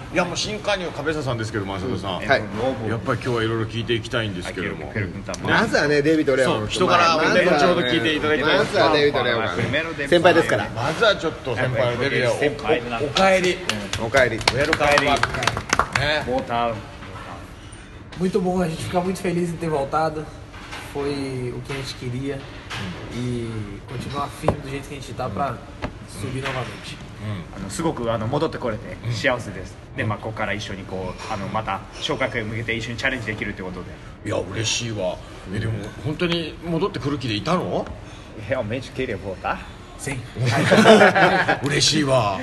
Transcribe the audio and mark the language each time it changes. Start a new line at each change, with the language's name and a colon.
Japanese: いや、もう新加入壁下さんですけども、浅田さん、はい、やっぱり今日はいろいろ聞いていきたいんですけども、まずはね、デビッド・レオン、人から後ほど聞いていただきたい。まずはデビッド・レオン先輩ですから、まずはちょっと先輩のデビッド・レオン、おかえり、おかえり、ウェルカムバック、ボータン、
Portuguese: muito bom, a gente fica muito feliz em ter voltado, foi o que a gente queria e continuar firme do jeito que a gente tá pra subir novamente。
Japanese: すごく戻ってこれて幸せです、うん、で、まあ、ここから一緒にこうまた昇格へ向けて一緒にチャレンジできるということで、いや嬉しいわ。え、でも本当に戻ってくる気でいたの。いや、めっちゃきれいボーダー嬉しいわ。